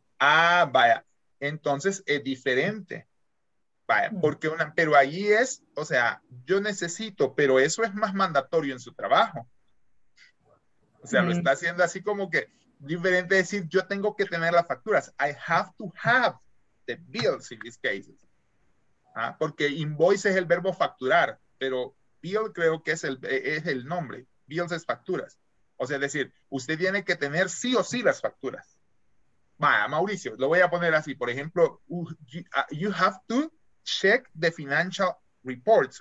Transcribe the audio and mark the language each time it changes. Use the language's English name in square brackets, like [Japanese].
[Spanish] Ah, vaya. Entonces es diferente. Porque una, pero ahí es, o sea, yo necesito, pero eso es más mandatorio en su trabajo. O sea, lo está haciendo así como que diferente decir, yo tengo que tener las facturas. [English] I have to have the bills in these cases. [Spanish] ¿Ah? Porque invoice es el verbo facturar, pero bill creo que es el nombre. Bills es facturas. O sea, es decir, usted tiene que tener sí o sí las facturas. Vaya, Mauricio, lo voy a poner así. Por ejemplo, [English] you have to check the financial reports.